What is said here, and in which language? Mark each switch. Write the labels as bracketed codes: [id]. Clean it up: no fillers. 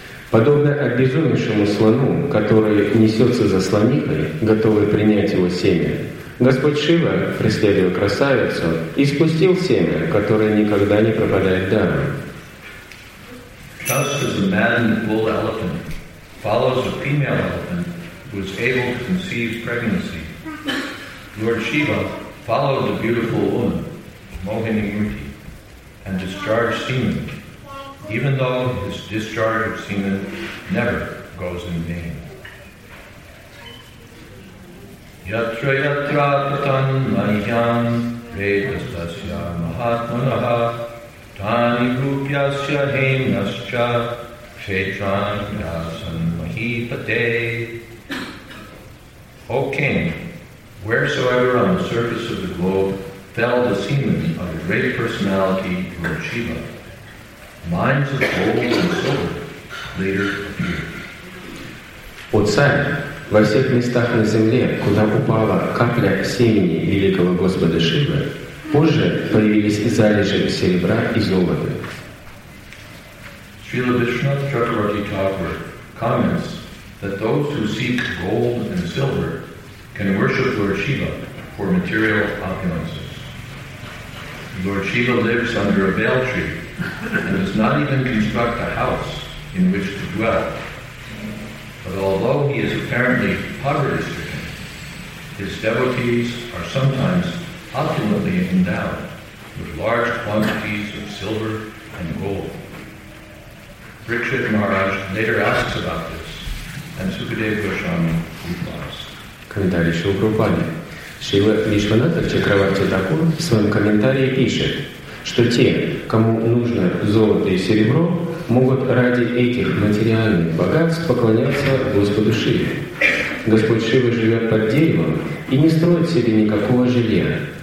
[ru] Подобно обезумевшему слону, который несется за слонихой, готовый принять его семя, Господь Шива, преследуя красавицу, испустил семя, которое никогда не пропадает даром. [en] Just as a man with bull elephant follows a female elephant who is able to conceive pregnancy, Lord Shiva followed the beautiful woman, Mohini Murti, and discharged semen. Even though his discharge of semen never goes in vain. [sa] Yatra yatra patan mahyam vedasasya mahatmanaha tani rupyasya hemnascha kshetran yasan mahipate. [en] O king, wheresoever on the surface of the globe fell the semen of the great personality Lord Shiva, mines of gold and silver later appeared. [ru] О царь, во всех местах на земле, куда упала капля семени великого Господа Шивы, позже появились залежи серебра и золота. [en] Śrīla Viṣṇu Chakravarti Thakura comments that those who seek gold and silver can worship Lord Shiva for material opulences. Lord Shiva lives under a bale tree and does not even construct a house in which to dwell. But although he is apparently poverty-stricken, his devotees are sometimes opulently endowed with large quantities of silver and gold. Rikshit Maharaj later asks about this, and Sukadeva Goswami replies. [ru] Комментарий Шрила Прабхупады. Шрила Вишваната Чакраварти Такур в своем комментарии пишет, что те, кому нужно золото и серебро, могут ради этих материальных богатств поклоняться Господу Шиве. Господь Шива живет под деревом и не строит себе никакого жилья.